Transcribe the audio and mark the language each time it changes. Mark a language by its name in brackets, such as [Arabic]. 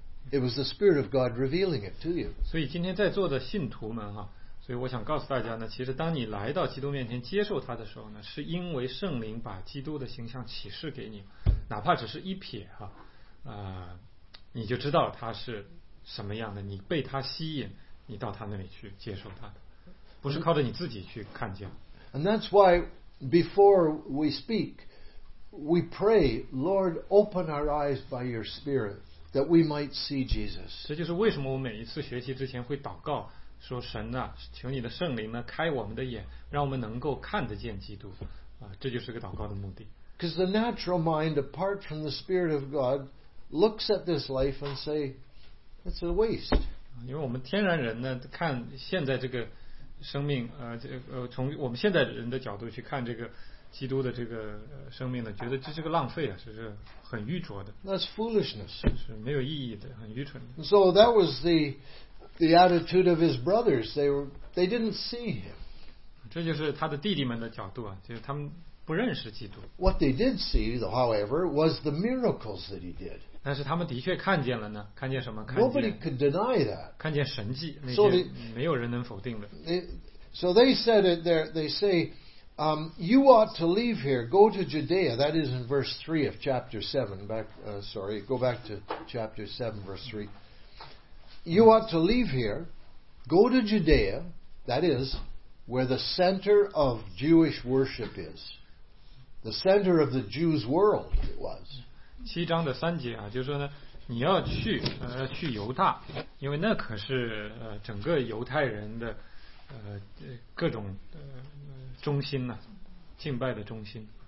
[English] It was the Spirit of God revealing it to you. [Chinese] 所以今天在座的信徒们哈，所以我想告诉大家呢，其实当你来到基督面前接受他的时候呢，是因为圣灵把基督的形象启示给你，哪怕只是一瞥哈，你就知道他是什么样的，你被他吸引，你到他那里去接受他的，不是靠着你自己去看见。 [English] And that's why before we speak. We pray, Lord, open our eyes by Your Spirit, that we might see Jesus. [Chinese] 这就是为什么我每一次学习之前会祷告，说神啊，求你的圣灵呢开我们的眼，让我们能够看得见基督。这就是个祷告的目的。 [English] Because the natural mind, apart from the Spirit of God, looks at this life and say, it's a waste. [Chinese] 因为我们天然人呢，看现在这个生命，从我们现在人的角度去看这个。基督的这个生命呢，觉得这是个浪费啊，这是很愚拙的。 [English] That's foolishness. [Chinese] 是没有意义的，很愚蠢的。 [English] So that was the attitude of his brothers. They didn't see him. [Chinese] 这就是他的弟弟们的角度啊，就是他们不认识基督。 [English] What they did see, however, was the miracles that he did. [Chinese] 但是他们的确看见了呢，看见什么？看见。 [English] Nobody could deny that. [Chinese] 看见神迹，那些没有人能否定的。 [English] So they said it there. They say. You ought to leave here, go to Judea. That is in verse 3 of chapter 7. Go back to chapter 7, verse 3. You ought to leave here, go to Judea, that is, where the center of Jewish worship is. The center of the Jews' world, it was. [Chinese] 七章的三节啊，就是说呢，你要去，去犹大，因为那可是，整个犹太人的，各种，中心呢、啊，敬拜的中心。